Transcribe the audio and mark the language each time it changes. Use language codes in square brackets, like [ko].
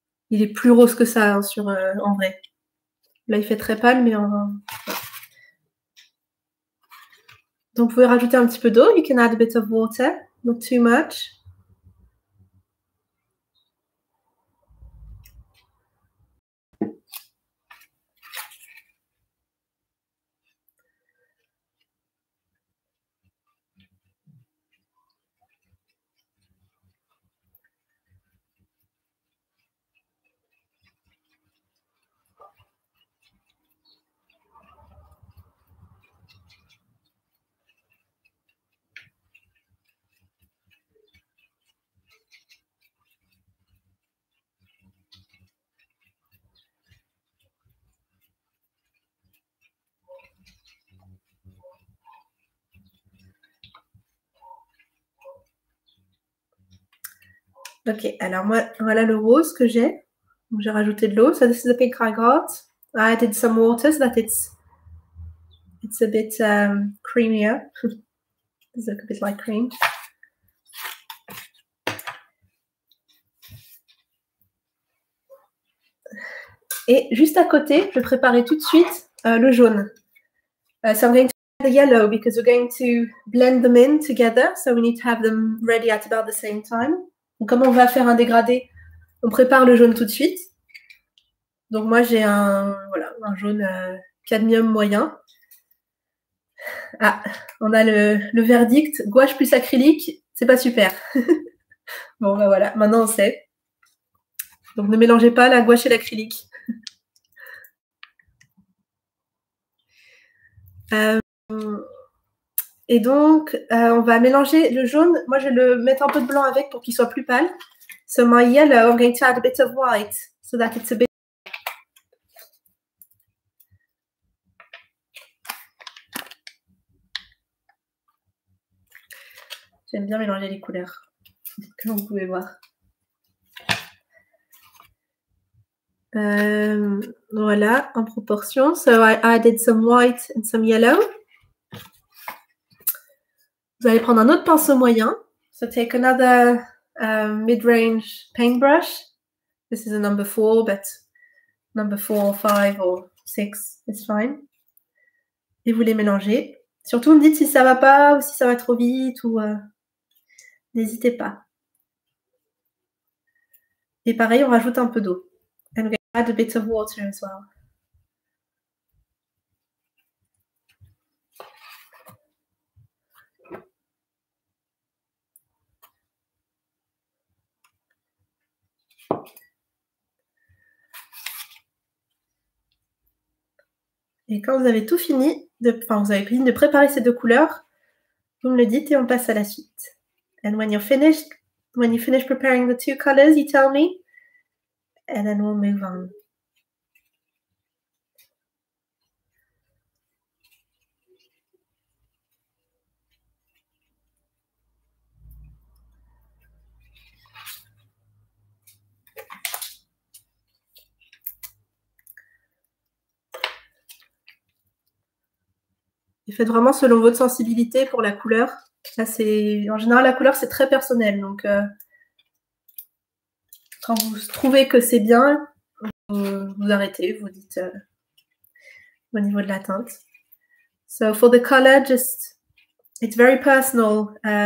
[fr] Il est plus rose que ça hein, sur en vrai. Là, il fait très pâle, mais en. Donc, vous pouvez rajouter un petit peu d'eau. [en] You can add a bit of water, not too much. [fr] Ok, alors moi, voilà le rose que j'ai. Donc, j'ai rajouté de l'eau. [en] So, this is the pink I got. I added some water so that it's a bit creamier. It's a bit like cream. [fr] Et juste à côté, je vais préparer tout de suite le jaune. [en] So, I'm going to add the yellow because we're going to blend them in together. So, we need to have them ready at about the same time. [fr] Donc, comment on va faire un dégradé? On prépare le jaune tout de suite. Donc, moi, j'ai un jaune cadmium moyen. Ah, on a le verdict. Gouache plus acrylique, c'est pas super. Bon, ben voilà, maintenant on sait. Donc, ne mélangez pas la gouache et l'acrylique. Et donc, on va mélanger le jaune. Moi, je vais le mettre un peu de blanc avec pour qu'il soit plus pâle. So, my yellow, I'm going to add a bit of white so that it's a bit. J'aime bien mélanger les couleurs, comme vous pouvez voir. Voilà, en proportion. [en] So, I added some white and some yellow. [fr] Vous allez prendre un autre pinceau moyen. [en] So take another mid-range paintbrush. This is a number 4, but number 4, 5 or 6, it's fine. [fr] Et vous les mélangez. Surtout, me dites si ça va pas ou si ça va trop vite ou n'hésitez pas. Et pareil, on rajoute un peu d'eau. [en] And we add a bit of water as well. [fr] Et quand vous avez tout fini, vous avez fini de préparer ces deux couleurs, vous me le dites et on passe à la suite. [en] And when you finish preparing the two colors, you tell me, and then we'll move on. [fr] Et faites vraiment selon votre sensibilité pour la couleur. Là, c'est en général la couleur, c'est très personnel. Donc, quand vous trouvez que c'est bien, vous arrêtez, vous dites au niveau de la teinte. [en] So for the color, just it's very personal.